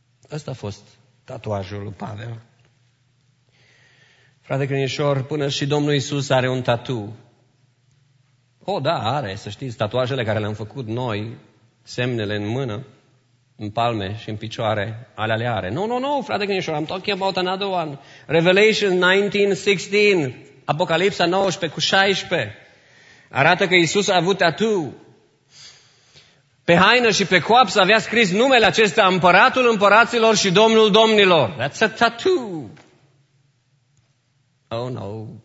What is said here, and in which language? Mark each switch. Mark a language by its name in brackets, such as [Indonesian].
[Romanian] Ăsta a fost tatuajul lui Pavel. Frate Crâneșor, până și Domnul Iisus are un tatu. O, da, are, să știți, tatuajele care le-am făcut noi, semnele în mână, în palme și în picioare, alea le are. [English] No, frate Crâneșor, I'm talking about another one. Revelation 19:16, Apocalipsa 19:16. [Romanian] Arată că Iisus a avut tatu. Pe haină și pe coapsă avea scris numele acesta, Împăratul împăraților și Domnul domnilor. [English] That's a tattoo. Oh, no.